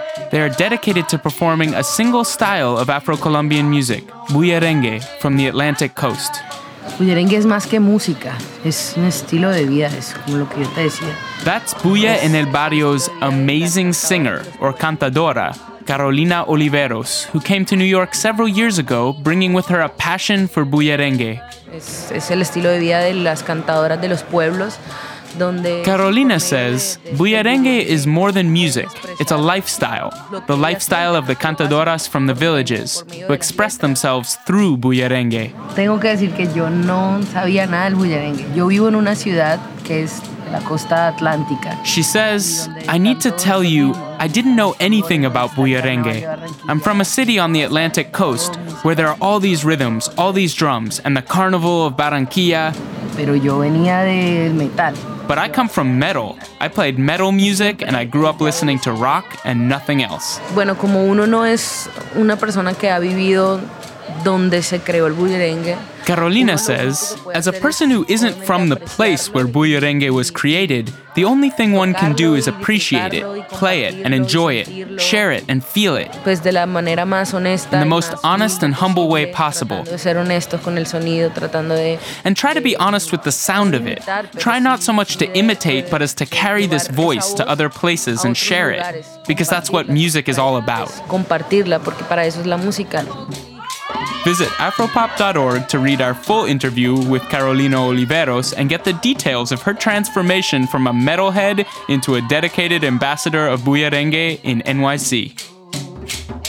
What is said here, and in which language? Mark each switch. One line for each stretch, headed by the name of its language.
English: They are dedicated to performing a single style of Afro-Colombian music, bullerengue, from the Atlantic coast.
Spanish: Bullerengue es más que música, es un estilo de vida, es como lo que yo te decía.
English: That's Bulla en el Barrio's amazing singer, or cantadora, Carolina Oliveros, who came to New York several years ago, bringing with her a passion for bullerengue.
Spanish: Es el estilo de vida de las cantadoras de los pueblos.
English: Carolina says, bullerengue is more than music. It's a lifestyle, the lifestyle of the cantadoras from the villages who express themselves through bullerengue.
Spanish: Tengo que decir que yo no sabía nada del bullerengue. Yo vivo en una ciudad que es la costa atlántica.
English: She says, I need to tell you, I didn't know anything about bullerengue. I'm from a city on the Atlantic coast where there are all these rhythms, all these drums, and the carnival of Barranquilla.
Spanish: Pero yo venía del metal.
English: But I come from metal. I played metal music and I grew up listening to rock and nothing else.
Spanish: Bueno, como uno no es una persona que ha vivido donde se creó el bullerengue.
English: Carolina says, as a person who isn't from the place where bullerengue was created, the only thing one can do is appreciate it, play it and enjoy it, share it and feel it.
Spanish: Pues de la manera más honesta,
English: in the most honest and humble way possible.
Spanish: Tratando de ser honestos con el sonido, tratando de,
English: and try to be honest with the sound of it. Try not so much to imitate, but as to carry this voice to other places and share it, because that's what music is all about.
Spanish: Compartirla, porque para eso es la música.
English: Visit afropop.org to read our full interview with Carolina Oliveros and get the details of her transformation from a metalhead into a dedicated ambassador of bullerengue in NYC.